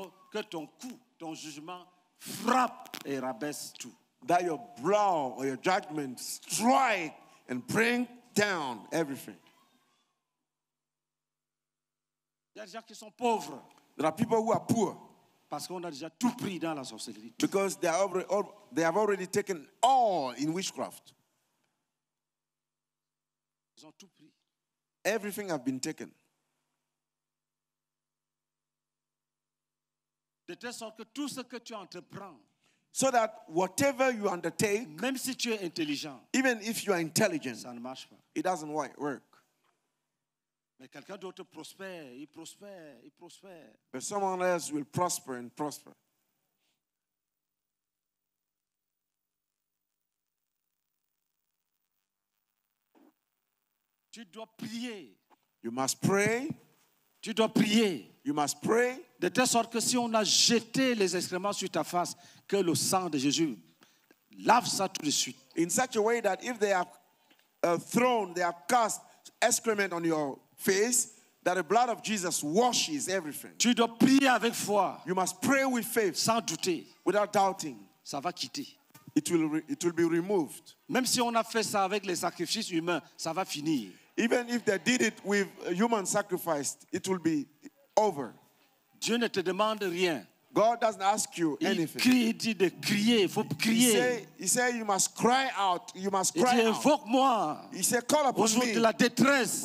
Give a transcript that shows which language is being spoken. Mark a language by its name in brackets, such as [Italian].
[French] que ton coup, ton jugement frappe et rabaisse tout. [English] That your blow or your judgment strike and bring down everything. [French] Il y a des gens qui sont pauvres. [English] There are people who are poor. [French] Parce qu'on a déjà tout pris dans la sorcellerie. [English] Because they have already taken all in witchcraft. [French] Ils ont tout pris. [English] Everything have been taken. [French] De telle sorte que tout ce que tu entreprends, [English] so that whatever you undertake, [French] même si tu es intelligent, [English] even if you are intelligent, [French] ça ne marche pas. [English] It doesn't work. [French] Mais quelqu'un d'autre prospère, il prospère, il prospère. [English] But someone else will prosper and prosper. [French] Tu dois prier. [English] You must pray. [French] Tu dois prier. [English] You must pray. [French] De telle sorte que si on a jeté les excréments sur ta face, que le sang de Jésus lave ça tout de suite. [English] In such a way that if they have thrown, they have cast excrement on your face, that the blood of Jesus washes everything. [French] Tu dois prier avec foi. [English] You must pray with faith. [French] Sans douter. [English] Without doubting. [French] Ça va quitter. [English] It will be removed. [French] Même si on a fait ça avec les sacrifices humains, ça va finir. [English] Even if they did it with human sacrifice, it will be over. [French] Dieu ne te demande rien. [English] God doesn't ask you anything. [French] Il dit de crier, il faut crier. [English] He said, you must cry out. You must cry out. [French] Invoque-moi. [English] He said, call upon me. [French] Au jour de la détresse,